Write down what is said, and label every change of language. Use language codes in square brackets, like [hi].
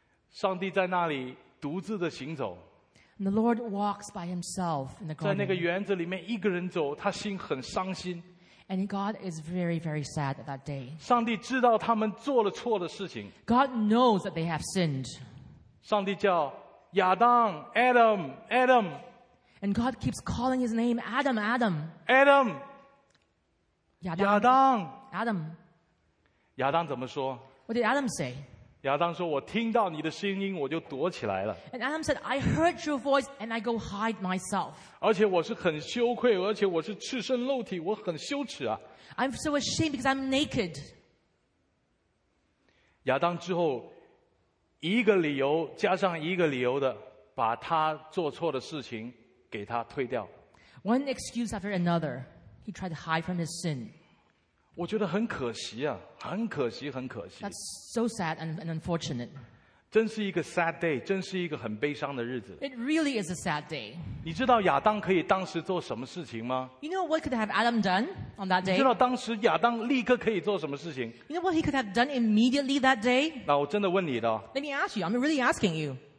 [zh] 上帝在那里独自的行走。 [en] And the Lord walks by himself in the garden. [zh] 在那个园子里面一个人走，他心很伤心。 [en] And God is very, very sad at that day. [zh] 上帝知道他们做了错的事情。 [en] God knows that they have sinned. [zh] 上帝叫亚当 Adam, Adam. [en] And God keeps calling his name Adam, Adam. Adam. [zh] 亚当。亚当。 [en] Adam. [zh] 亚当怎么说？ [en] What did Adam say? [zh] 亚当说：“我听到你的声音，我就躲起来了。” [en] And Adam said, "I heard your voice, and I go hide myself." [zh] 而且我是很羞愧，而且我是赤身露体，我很羞耻啊。 [en] I'm so ashamed because I'm naked. [zh] 亚当之后，一个理由加上一个理由的，把他做错的事情给他推掉。 [en] One excuse after another, he tried to hide from his sin. [zh] 我觉得很可惜啊，很可惜，很可惜。 [en] That's so sad and unfortunate. [zh] 真是一个 [en] sad day, [zh] 真是一个很悲伤的日子。 [en] It really is a sad day. [zh] 你知道亚当可以当时做什么事情吗？ [en] You know what could have Adam done on that day? [zh] 你知道当时亚当立刻可以做什么事情？ [en] You know what he could have done immediately that day? [zh] 那我真的问你的。 [en] Let me ask you, I'm really asking you.